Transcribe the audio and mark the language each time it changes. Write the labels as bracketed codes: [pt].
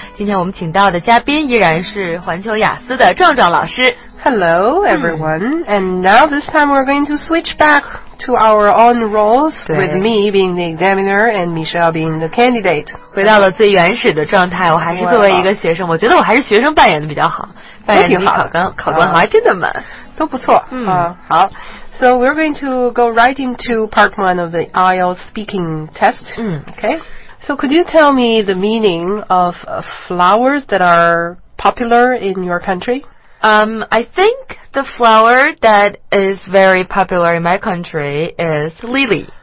[zh] 今天我们请到的嘉宾依然是环球雅思的壮壮老师。 [en] Hello everyone,、and now this time we're going to switch back to our own roles with me being the examiner and Michelle being the candidate. [zh] 回到了最原始的状态，我还是作为一个学生，我觉得我还是学生扮演的比较好，扮演的比考官好，还真的蛮。都不错、好 [en] So we're going to go right into part one of the IELTS speaking test、Okay. So could you tell me the meaning of flowers that are popular in your country?、 I think the flower that is very popular in my country is lily.